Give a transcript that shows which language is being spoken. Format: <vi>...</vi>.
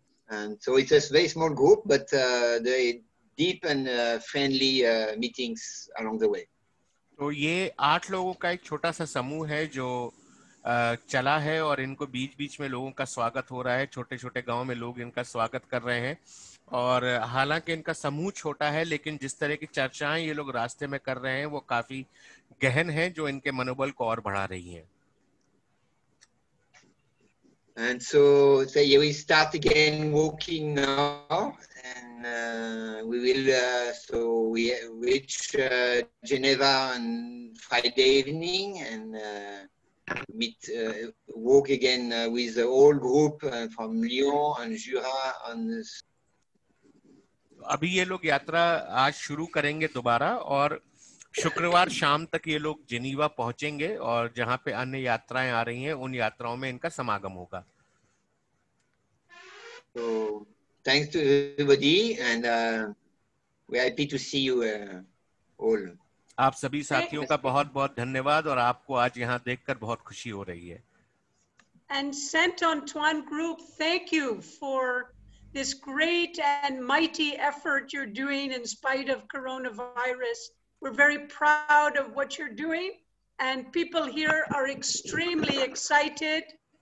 <en>And so it's a very small group, but they deep and friendly meetings along the way.</en> <hi>तो ये 8 लोगों का एक छोटा सा समूह है जो चला है और इनको बीच-बीच में लोगों का स्वागत हो रहा है. छोटे-छोटे गांव में लोग इनका स्वागत कर रहे हैं और हालांकि इनका समूह छोटा है लेकिन जिस तरह की चर्चाएं ये लोग रास्ते में कर रहे हैं वो काफी गहन हैं जो इनके मनोबल को और बढ़ा रही हैं.</hi> <en>And so, so yeah, we start again walking now, and we will, so we reach Geneva on Friday evening and meet, walk again with the whole group from Lyon and Jura. On this.</en> <hi>अभी ये लोग यात्रा आज शुरू करेंगे दोबारा और शुक्रवार शाम तक ये लोग जिनीवा पहुंचेंगे और जहां पे अन्य यात्राएं आ रही हैं उन यात्राओं में इनका समागम होगा.</hi> <en>So, thanks to everybody, and we are happy to see you all.</en> <hi>आप सभी साथियों का बहुत बहुत धन्यवाद और आपको आज यहाँ देखकर बहुत खुशी हो रही है.</hi> <en>And Saint Antoine group, thank you for this great and mighty effort you're doing in spite of coronavirus. We're very proud of what you're doing, and people here are extremely excited.</en>